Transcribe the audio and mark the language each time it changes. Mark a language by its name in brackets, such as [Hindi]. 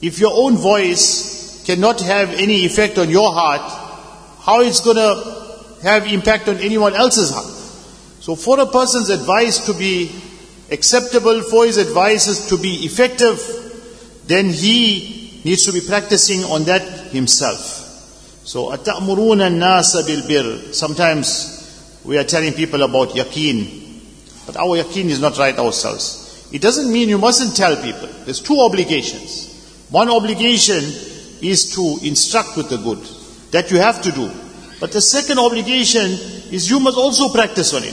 [English] If your own voice cannot have any effect on your heart, how is it going to have impact on anyone else's heart? So for a person's advice to be acceptable, for his advice to be effective, then he needs to be practicing on that himself. [Arabic] So, أَتَأْمُرُونَ النَّاسَ بِالْبِرِّ. [English] Sometimes we are telling people about yaqeen, but our yaqeen is not right ourselves. It doesn't mean you mustn't tell people. There's two obligations. One obligation is to instruct with the good, that you have to do. But the second obligation is you must also practice on it.